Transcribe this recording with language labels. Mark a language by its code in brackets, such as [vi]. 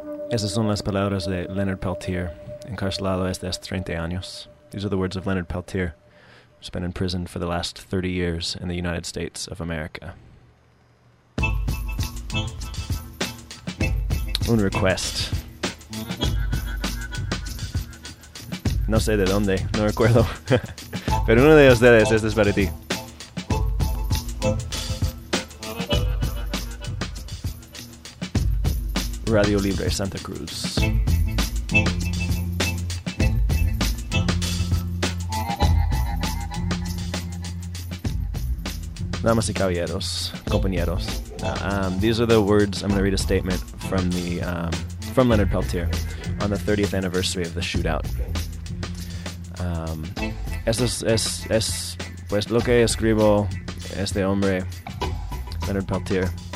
[es] Esas son las palabras de Leonard Peltier, encarcelado desde hace 30 años. [en] These are the words of Leonard Peltier, who's been in prison for the last 30 years in the United States of America. [es] Un request. No sé de dónde, no recuerdo. Pero uno de ustedes, este es para ti. Radio Libre Santa Cruz. Damas y caballeros, compañeros. [en] These are the words. I'm going to read a statement from the from Leonard Peltier on the 30th anniversary of the shootout. [es] Es pues lo que escribo este hombre, Leonard Peltier.